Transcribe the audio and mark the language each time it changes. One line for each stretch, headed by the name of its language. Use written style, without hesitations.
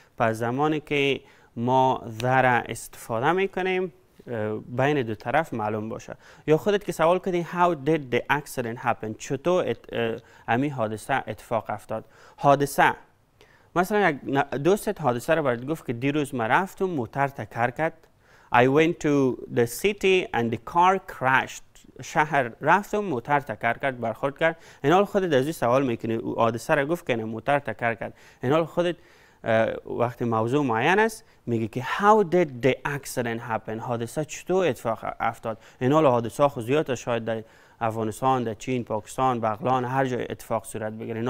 Persian: پس زمانی که ما ذه را استفاده میکنیم بین دو طرف معلوم باشه. یا خودت که سوال کردی
English: How did the accident happen؟
Persian: چطور امی حادثه اتفاق افتاد؟ حادثه مثلا یک دوستت حادثه رو برات گفت که دیروز ما رفتم موتر تکر کرد.
English: I went to the city and the car crashed.
Persian: شهر رفتم موتر تکر کرد برخورد کرد. این حال خودت از این سوال میکنی او حادثه رو گفت که موتر تکر کرد. این حال خودت وقتی موضوع معین است میگه که
English: How did the accident happen؟
Persian: حادثه چطور اتفاق افتاد؟ این حال حادثه خود زیاده شاید در افغانستان، در چین، پاکستان، بغلان هر جای اتفاق صورت بگیره.